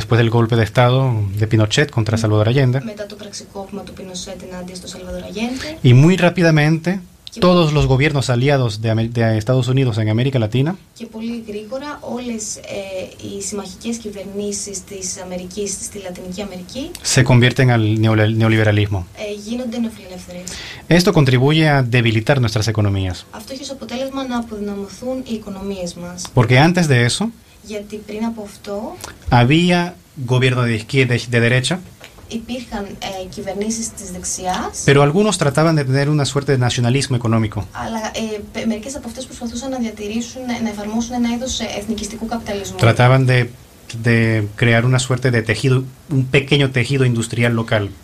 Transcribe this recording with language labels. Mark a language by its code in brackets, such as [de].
[es] Después del golpe de Estado de Pinochet contra Salvador Allende. [el] Μετά το πραξικόπημα του Πινοσέτ ενάντια στο Σαλβαδόρ Αγέντε. [es] Y muy rápidamente todos los gobiernos aliados de Estados Unidos en América Latina. [el] Και πολύ γρήγορα όλες οι συμμαχικές κυβερνήσεις της Αμερικής στη Λατινική Αμερική [es] se convierten al neoliberalismo. [el] Γίνονται νεοφιλελευθερές. [es] Esto contribuye a debilitar nuestras economías. [el] Αυτό έχει ως αποτέλεσμα να αποδυναμωθούν οι οικονομίες μας. [es] Porque antes de eso, [el] γιατί πριν από αυτό, [es] había gobierno de izquierda de derecha. [el] Υπήρχαν κυβερνήσεις της δεξιάς. [es] Pero algunos trataban de tener una suerte de nacionalismo económico. [el] Αλλά μερικές από αυτές προσπαθούσαν να διατηρήσουν, να εφαρμόσουν ένα είδος εθνικιστικού καπιταλισμού. [es] Trataban de crear una suerte de tejido, un pequeño tejido industrial local.